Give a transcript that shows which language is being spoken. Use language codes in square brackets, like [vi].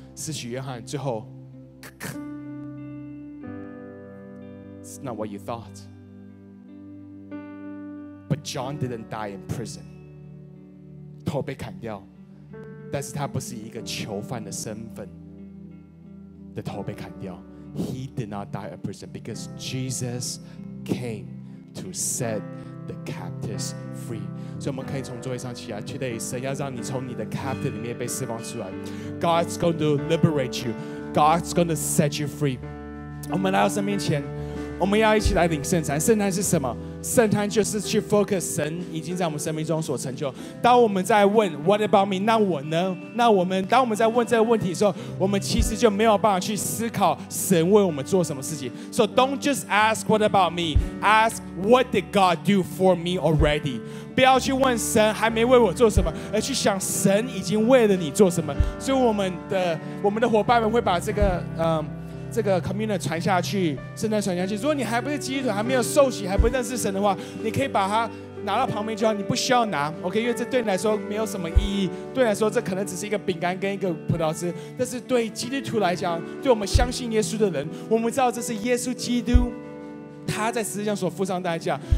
[zh] 使徒约翰最后 [en] It's not what you thought. But John didn't die in prison. [zh] 头被砍掉，但是他不是一个囚犯的身份的头被砍掉。 [en] He did not die in prison because Jesus came to set the captives free. [zh] 所以我们可以从座位上起来。 Today, 神要让你从你的 captive 里面被释放出来。 [en] God's going to liberate you. God's going to set you free. [zh] 我们来到神面前，我们要一起来领圣餐。圣餐是什么？圣餐就是去 focus 神已经在我们生命中所成就。当我们在问 [en] What about me? [zh] 那我呢？那我们当我们在问这个问题的时候，我们其实就没有办法去思考神为我们做什么事情。 [en] So don't just ask what about me, ask what did God do for me already. [zh] 不要去问神还没为我做什么，而去想神已经为了你做什么。所以我们的伙伴们会把这个 community 传下去，圣餐传下去。如果你还不是基督徒，还没有受洗，还不认识神的话，你可以把它拿到旁边就好，你不需要拿 OK， 因为这对你来说没有什么意义，对你来说这可能只是一个饼干跟一个葡萄汁，但是对基督徒来讲，对我们相信耶稣的人，我们知道这是耶稣基督他在十字架所付上代价。